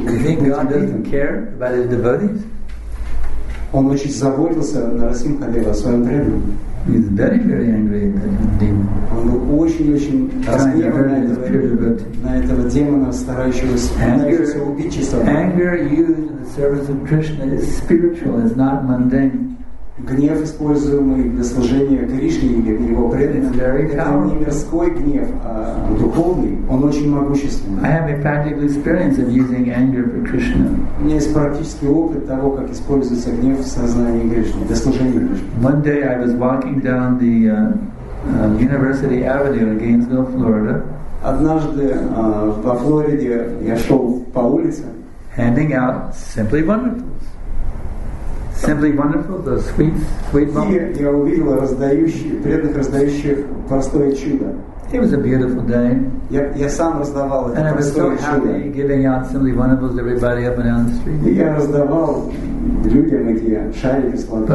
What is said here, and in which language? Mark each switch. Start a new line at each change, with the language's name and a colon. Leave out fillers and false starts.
English: You think God doesn't care about his devotees?
Russian: Он очень заботился о Нарсимхадеве, о своем преданном.
English: He's very, very angry at the demon.
Russian: Он был очень-очень разгневан на этого демона, старающегося убить чистого.
English: Anger used in the service of Krishna is spiritual, it's not mundane.
Russian: Гнев, используемый для служения Кришне или его преданным, это не мирской гнев, а духовный. Он очень могущественный.
English: I have a practical experience of using anger for Krishna.
Russian: У меня есть практический опыт того, как используется гнев в сознании Кришны для служения Кришне.
English: One day I was walking down the University Avenue in Gainesville, Florida.
Russian: Однажды по Флориде я шел по улице,
English: handing out simply wonderful. Simply wonderful, the sweet, sweet moment.
Russian: Я увидел преданных раздающих простое чудо.
English: It was a beautiful day.
Russian: Я сам раздавал это простое чудо.
English: And I was so happy giving out simply wonderfuls to everybody up and down the street.
Russian: Я раздавал людям эти шарики с